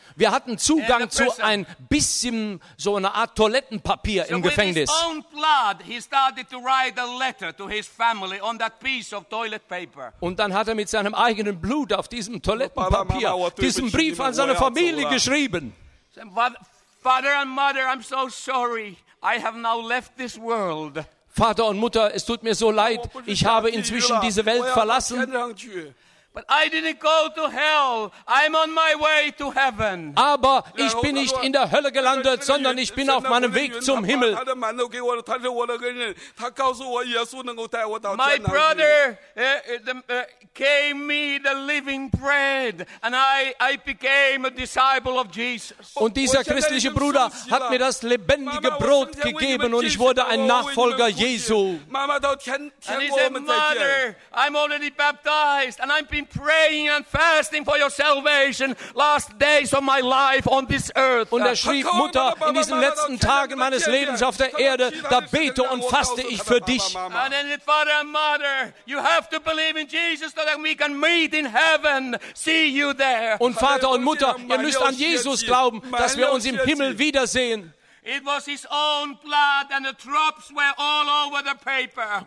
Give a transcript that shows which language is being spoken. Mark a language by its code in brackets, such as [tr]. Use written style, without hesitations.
[de] Wir hatten Zugang zu ein bisschen so eine Art Toilettenpapier im Gefängnis. [en] With his own blood, he started to write a letter to his family on that piece of toilet paper. [de] Und dann hat er mit seinem eigenen Blut auf diesem Toilettenpapier diesen Brief an seine Familie geschrieben. [en] Father and mother, I'm so sorry. I have now left this world. [de] Vater und Mutter, es tut mir so leid. Ich habe inzwischen diese Welt verlassen. [en] But I didn't go to hell. I'm on my way to heaven. [de] Aber ich bin nicht in der Hölle gelandet, sondern ich bin auf meinem Weg zum Himmel. [en] My brother gave me the living bread, and I became a disciple of Jesus. [de] Und dieser christliche Bruder hat mir das lebendige Brot gegeben, und ich wurde ein Nachfolger Jesu. [en] And he said, Mother, I'm already baptized, and I'm being praying and fasting for your salvation last days of my life on this earth. [de] Und er schrieb, Mutter, in diesen letzten Tagen meines Lebens auf der Erde, da bete und faste ich für dich. [en] And then, Father and Mother, you have to believe in Jesus so that we can meet in heaven. See you there. [de] Und Vater und Mutter, ihr müsst an Jesus glauben, dass wir uns im Himmel wiedersehen. [en] It was his own blood, and the drops were all over the paper.